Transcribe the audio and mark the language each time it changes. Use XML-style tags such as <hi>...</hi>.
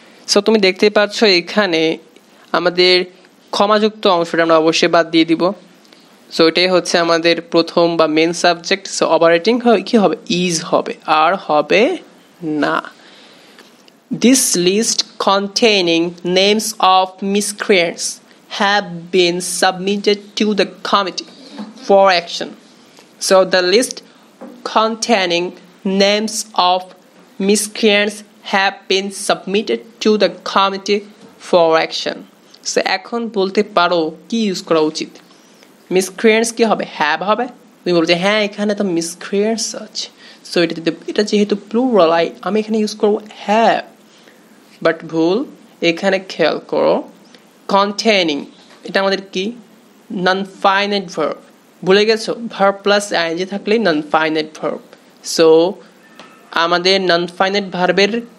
<bn>So তুমি দেখতে পাচ্ছ এখানে আমাদের ক্ষমাযুক্ত অংশটা আমরা অবশ্যই বাদ দিয়ে দিব, সো এটাই হচ্ছে আমাদের প্রথম বা মেন সাবজেক্ট, সো অপারেটিং কি হবে, ইজ হবে, আর হবে না।</bn> <en>This list containing names of miscreants, have been submitted to the committee for action. So the list containing names of miscreants have been submitted to the committee for action.</en> <bn>So এখন বলতে পারো কি use করা উচিত miscreants কি হবে have হবে তুমি বলছো হ্যাঁ এখানে তো মিসক্রিয়েন্টস আছে সো এটা যেহেতু প্লুরাল আমি এখানে ইউজ করবো হ্যাভ বাট ভুল এখানে খেয়াল করো কন্টেনিং এটা আমাদের কি নন ফাইনাইট ভার্ব ভুলে গেছো ভার্ব প্লাস আইএনজি থাকলে নন ফাইনাইট ভার্ব সো আমাদের নন ফাইনাইট ভার্বের</bn>